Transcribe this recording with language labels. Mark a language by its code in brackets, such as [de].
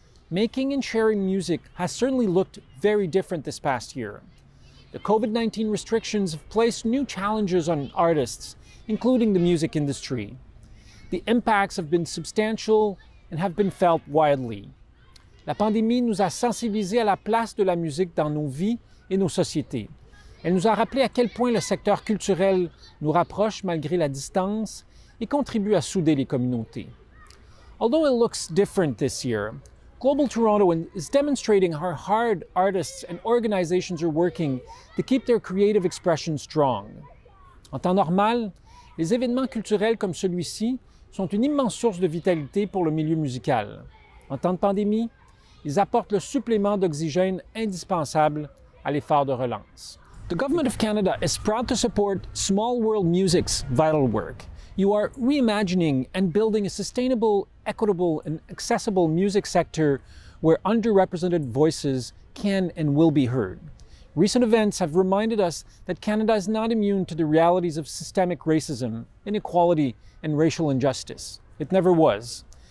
[en] Making and sharing music has certainly looked very different this past year. The COVID-19 restrictions have placed new challenges on artists, including the music industry. The impacts have been substantial and have been felt widely. [fr] La pandémie nous a sensibilisés à la place de la musique dans nos vies et nos sociétés. Elle nous a rappelé à quel point le secteur culturel nous rapproche malgré la distance et contribue à souder les communautés. [en] Although it looks different this year, Global Toronto is demonstrating how hard artists and organizations are working to keep their creative expression strong. [fr] En temps normal, les événements culturels comme celui-ci sont une immense source de vitalité pour le milieu musical. En temps de pandémie, ils apportent le supplément d'oxygène indispensable à l'effort de relance. [en] The Government of Canada is proud to support Small World Music's vital work. You are reimagining and building a sustainable, equitable, and accessible music sector where underrepresented voices can and will be heard. Recent events have reminded us that Canada is not immune to the realities of systemic racism, inequality, and racial injustice. It never was.